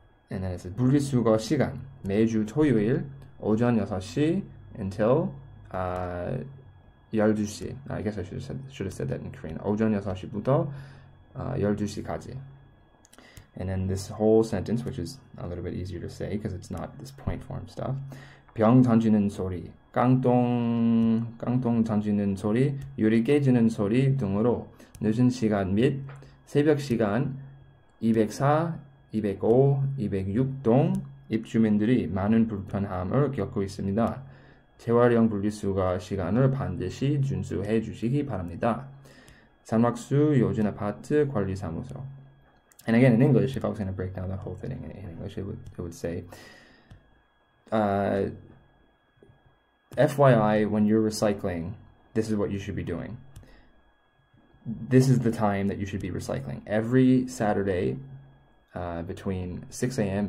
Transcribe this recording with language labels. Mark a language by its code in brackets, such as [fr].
[en] And then it says [ko] 분리수거 시간 매주 토요일 오전 6시 [en] until 12시. I guess I should have said that in Korean. [ko] 오전 6시부터 12시까지. [en] And then this whole sentence, which is a little bit easier to say because it's not this point form stuff. [ko] 병 던지는 소리, 깡통 던지는 소리, 유리 깨지는 소리 등으로 늦은 시간 및 새벽 시간 204, 205, 206 등 입주민들이 많은 불편함을 겪고 있습니다. 재활용 분리수거 시간을 반드시 준수해 주시기 바랍니다. 산막수 요진 아파트 관리사무소. [en] And again, in English, if I was going to break down that whole thing in English, it would say, FYI, when you're recycling, this is what you should be doing. This is the time that you should be recycling. Every Saturday between 6 a.m.